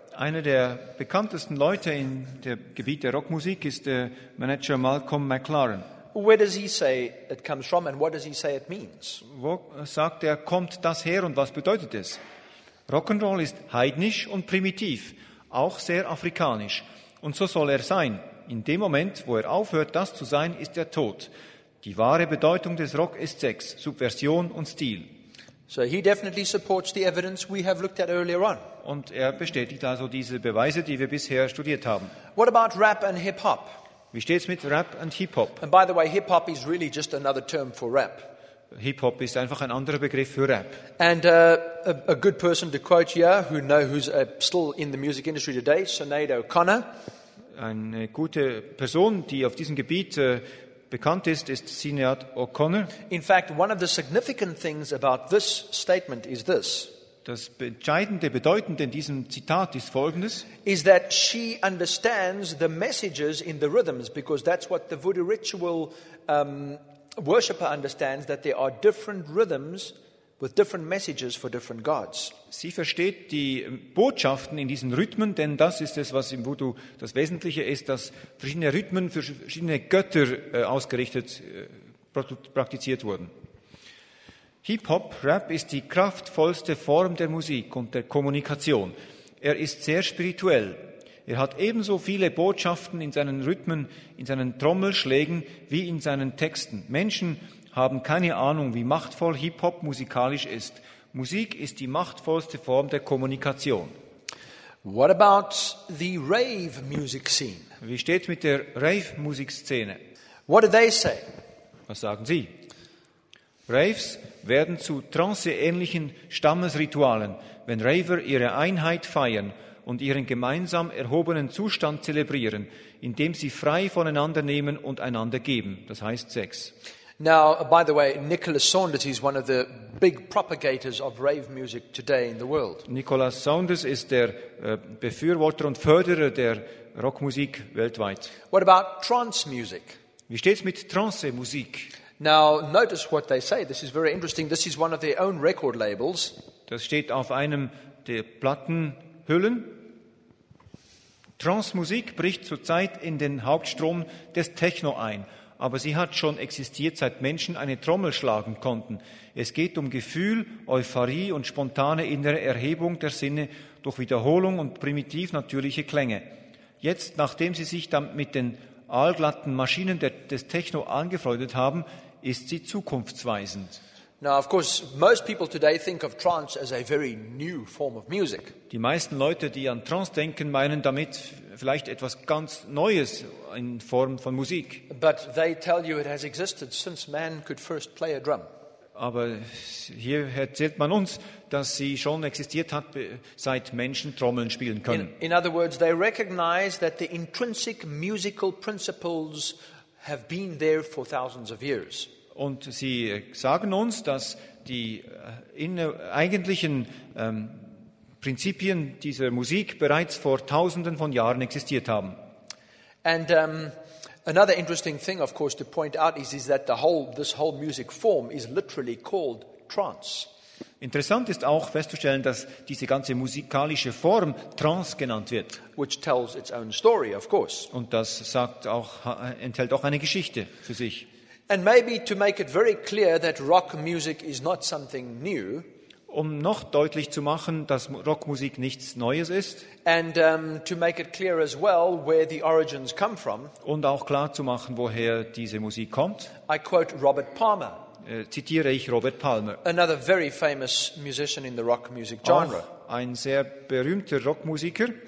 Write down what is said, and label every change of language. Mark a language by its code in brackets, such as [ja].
[de] Einer der bekanntesten Leute in dem Gebiet der Rockmusik ist der Manager Malcolm McLaren. [en] Where does he say it comes from, and what does he say it means? [de] Wo sagt er, kommt das her, und was bedeutet es? Rock'n'Roll ist heidnisch und primitiv, auch sehr afrikanisch, und so soll er sein. In dem Moment, wo er aufhört, das zu sein, ist er tot. Die wahre Bedeutung des Rock ist Sex, Subversion und Stil. [en] So he definitely supports the evidence we have looked at earlier on. [de] Und er bestätigt also diese Beweise, die wir bisher studiert haben. [en] What about rap and hip hop? [de] Wie steht's mit Rap und Hip Hop? [en] And by the way, hip hop is really just another term for rap. [de] Hip Hop ist einfach ein anderer Begriff für Rap. [en] And a good person to quote here, who's still in the music industry today, Sinead O'Connor. [de] Eine gute Person, die auf diesem Gebiet bekannt ist Sinéad O'Connor. [en] In fact, one of the significant things about this statement is this. [de] Das entscheidende, bedeutende in diesem Zitat ist Folgendes: [en] Is that she understands the messages in the rhythms, because that's what the voodoo ritual worshipper understands, that there are different rhythms with different messages for different gods. [de] Sie versteht die Botschaften in diesen Rhythmen, denn das ist es, was im Voodoo das Wesentliche ist, dass verschiedene Rhythmen für verschiedene Götter ausgerichtet praktiziert wurden. Hip-Hop, Rap ist die kraftvollste Form der Musik und der Kommunikation. Er ist sehr spirituell. Er hat ebenso viele Botschaften in seinen Rhythmen, in seinen Trommelschlägen wie in seinen Texten. Menschen haben keine Ahnung, wie machtvoll Hip-Hop musikalisch ist. Musik ist die machtvollste Form der Kommunikation. [en] What about the rave music scene? [de] Wie steht mit der Rave-Musikszene? [en] What do they say? [de] Was sagen sie? Raves werden zu Trance-ähnlichen Stammesritualen, wenn Raver ihre Einheit feiern und ihren gemeinsam erhobenen Zustand zelebrieren, indem sie frei voneinander nehmen und einander geben. Das heißt Sex. [en] Now, by the way, Nicholas Saunders is one of the big propagators of rave music today in the world. [de] Nicholas Saunders ist der Befürworter und Förderer der Rockmusik weltweit. [en] What about trance music? [de] Wie steht's mit Trance-Musik? [en] Now, notice what they say. This is very interesting. This is one of their own record labels. [de] Das steht auf einem der Plattenhüllen. Trance-Musik bricht zurzeit in den Hauptstrom des Techno ein. Aber sie hat schon existiert, seit Menschen eine Trommel schlagen konnten. Es geht um Gefühl, Euphorie und spontane innere Erhebung der Sinne durch Wiederholung und primitiv natürliche Klänge. Jetzt, nachdem sie sich dann mit den aalglatten Maschinen des Techno angefreundet haben, ist sie zukunftsweisend. [en] Now, of course, most people today think of trance as a very new form of music. [de] Die meisten Leute, die an Trance denken, meinen damit vielleicht etwas ganz Neues in Form von Musik. [en] But they tell you it has existed since man could first play a drum. [de] Aber hier erzählt man uns, dass sie schon existiert hat, seit Menschen Trommeln spielen können. [en] In other words, they recognize that the intrinsic musical principles have been there for thousands of years. [de] Und sie sagen uns, dass die eigentlichen Prinzipien dieser Musik bereits vor Tausenden von Jahren existiert haben. [en] And another interesting thing, of course, to point out is that this whole music form is literally called trance. [de] Interessant ist auch festzustellen, dass diese ganze musikalische Form Trance genannt wird. [en] Which tells its own story, of course. [de] Und das enthält auch eine Geschichte für sich. [en] And maybe to make it very clear that rock music is not something new. [de] Um noch deutlich zu machen, dass Rockmusik nichts Neues ist. [en] And to make it clear as well where the origins come from. [de] Und auch klar zu machen, woher diese Musik kommt. [en] I quote Robert Palmer. [de] Zitiere ich Robert Palmer. [en] Another very famous musician in the rock music genre. [de] Auch ein sehr berühmter Rockmusiker.